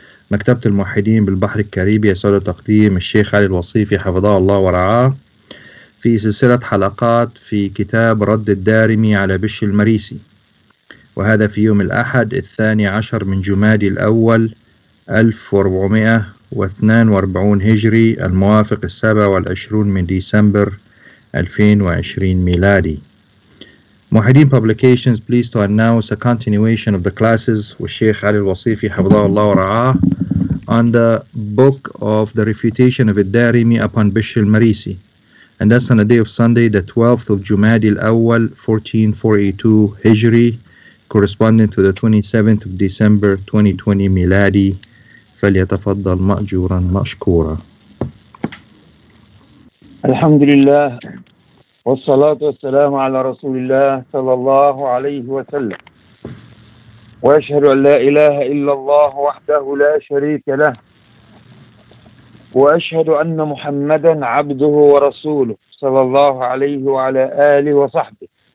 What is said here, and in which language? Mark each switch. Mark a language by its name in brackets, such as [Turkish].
[Arabic] مكتبة الموحدين بالبحر الكاريبي يسعد تقديم الشيخ علي الوصيفي حفظه الله ورعاه في سلسلة حلقات في كتاب رد الدارمي على بش المريسي، وهذا في يوم الأحد 12 من جمادي الأول 1442 هجري الموافق 27 من ديسمبر 2020 ميلادي. [English] موحدين Publications pleased to announce a continuation of the classes with Sheikh Ali Al-Wasifi [Arabic] حفظه الله ورعاه [English] on the book of the refutation of الدارمي upon Bishr al-Marisi, and that's on the day of Sunday the 12th of Jumadi al-Awwal 1442 Hijri corresponding to the 27th of December 2020 ميلادي. [Arabic] فليتفضل مأجورا مشكورا. الحمد لله والصلاة والسلام على رسول الله صلى الله عليه وسلم، وأشهد أن لا إله إلا الله وحده لا شريك له، وأشهد أن محمدا عبده ورسوله صلى الله عليه وعلى آله وصحبه.